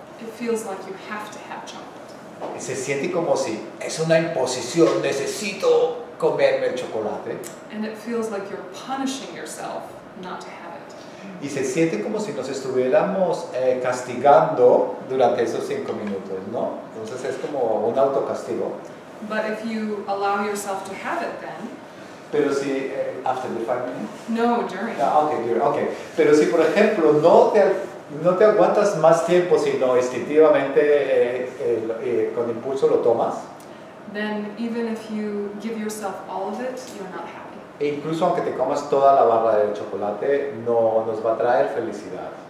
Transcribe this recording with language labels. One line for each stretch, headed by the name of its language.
English: it feels like you have to have chocolate.
Spanish: Se siente como si es una imposición, necesito comerme el chocolate.
English: And it feels like you're punishing yourself not to have it.
Spanish: Y se siente como si nos estuviéramos castigando durante esos 5 minutos, ¿no? Entonces es como un autocastigo.
English: But if you allow yourself to have it, then.
Spanish: Pero si
English: after the 5 minutes. No, during. Okay.
Spanish: Pero si por ejemplo no te aguantas más tiempo, sino instintivamente con impulso lo tomas.
English: Then even if you give yourself all of it, you're not happy.
Spanish: E incluso aunque te comas toda la barra de chocolate, no nos va a traer felicidad.